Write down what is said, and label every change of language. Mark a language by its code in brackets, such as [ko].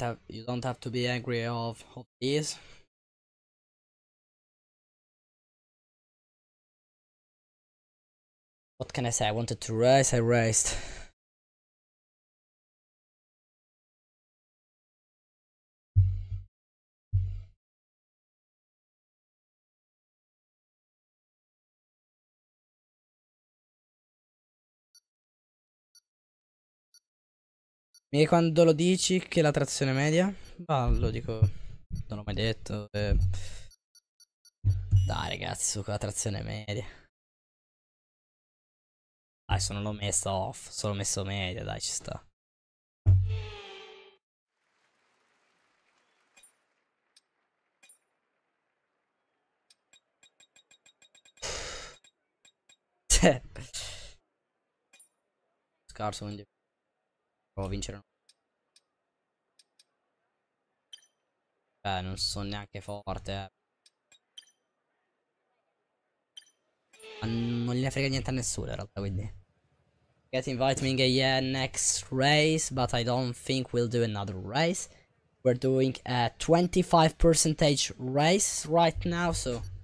[en] You don't have to be angry of this. Oh, What can I say? I wanted to race, I raced. [it] E quando lo dici che la trazione media? Ma lo dico, non l'ho mai detto. Dai, ragazzi, su con la trazione media. Dai, sono l'ho messa off, sono messo media, dai, ci sta. Scarso, quindi provo a vincere. Non sono neanche forte. Ma non gliene frega niente a nessuno in realtà, quindi. [en] Get invite me again next race, but I don't think we'll do another race. We're doing a 25% race right now, so.